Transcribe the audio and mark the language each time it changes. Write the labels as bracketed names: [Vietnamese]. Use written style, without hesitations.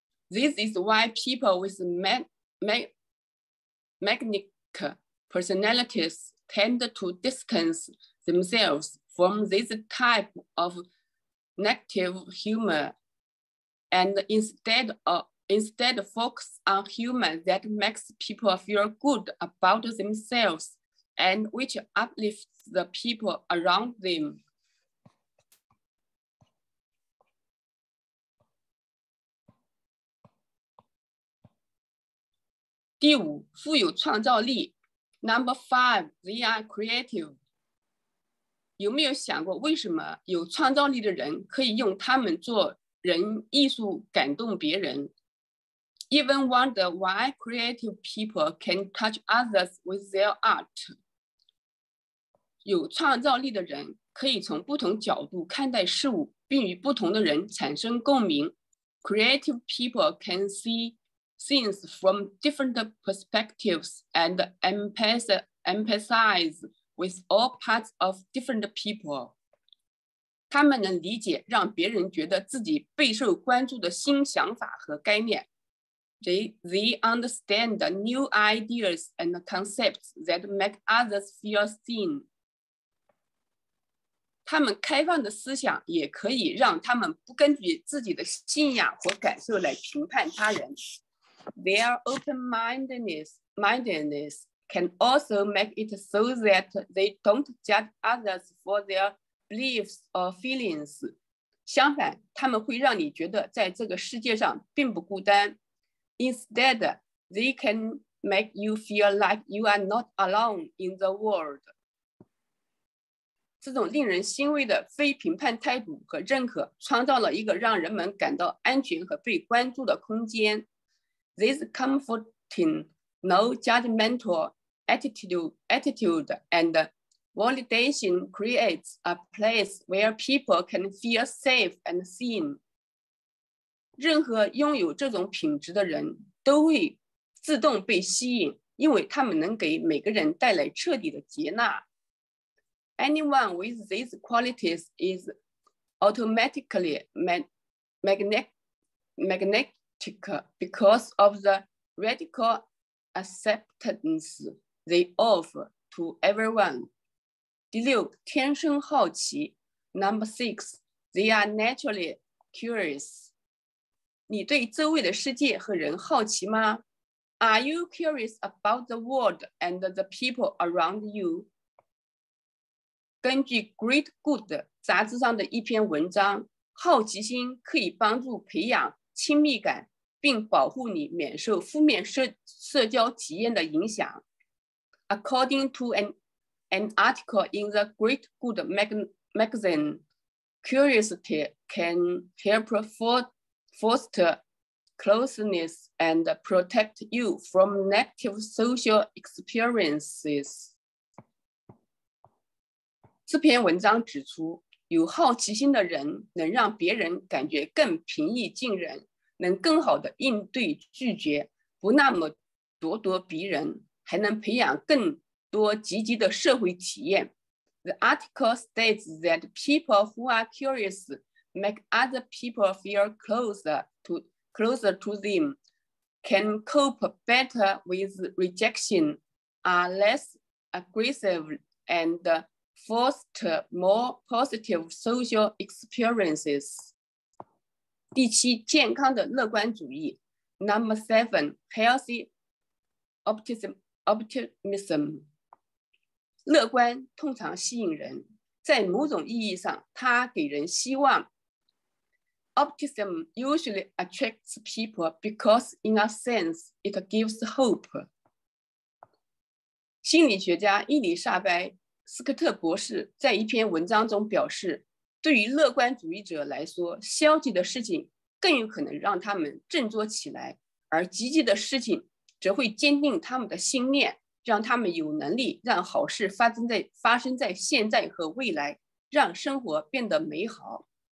[English] This is why people with manic personalities tend to distance themselves from this type of negative humor and instead focus on humor that makes people feel good about themselves and which uplifts the people around them. [Chinese] 第五，富有创造力。 [English] Number five, they are creative. [Chinese] 有没有想过为什么有创造力的人可以用他们做人艺术感动别人？ [English] Even wonder why creative people can touch others with their art. [Chinese] 有创造力的人可以从不同角度看待事物，并与不同的人产生共鸣。 [English] Creative people can see things from different perspectives and empathize with all parts of different people. [Chinese] 他们能理解让别人觉得自己备受关注的新想法和概念。 [English] They understand the new ideas and concepts that make others feel seen. [Chinese] 他们开放的思想也可以让他们不根据自己的信仰和感受来评判他人。 [English] Their open-mindedness can also make it so that they don't judge others for their beliefs or feelings. [Chinese] 相反，他们会让你觉得在这个世界上并不孤单。 [English] Instead, they can make you feel like you are not alone in the world. [Chinese] 这种令人欣慰的非评判态度和认可创造了一个让人们感到安全和被关注的空间。 [English] This comforting, no judgmental attitude and validation creates a place where people can feel safe and seen. [Chinese] 任何拥有这种品质的人都会自动被吸引，因为他们能给每个人带来彻底的接纳。 [English] Anyone with these qualities is automatically magnetic because of the radical acceptance they offer to everyone. [Chinese] 第六，天生好奇。 [English] Number six, they are naturally curious. [Chinese] 你对周围的世界和人好奇吗？ [English] Are you curious about the world and the people around you? [Chinese] 根据 Great Good 杂志上的一篇文章，好奇心可以帮助培养亲密感，并保护你免受负面社交体验的影响。 [English] According to an article in the Great Good magazine, curiosity can help foster closeness and protect you from negative social experiences. [Chinese] 这篇文章指出，有好奇心的人能让别人感觉更平易近人，能更好地应对拒绝，不那么咄咄逼人，还能培养更多积极的社会体验。 [English] The article states that people who are curious make other people feel closer to them, can cope better with rejection, are less aggressive andfoster more positive social experiences. [Chinese] 第七，健康的乐观主义。 [English] Number seven, healthy optimism. [Chinese] 乐观通常吸引人，在某种意义上它给人希望。 [English] Optimism usually attracts people because in a sense it gives hope. [Chinese] 心理学家伊丽莎白斯科特博士在一篇文章中表示，对于乐观主义者来说，消极的事情更有可能让他们振作起来，而积极的事情则会坚定他们的信念，让他们有能力让好事发生在现在和未来，让生活变得美好。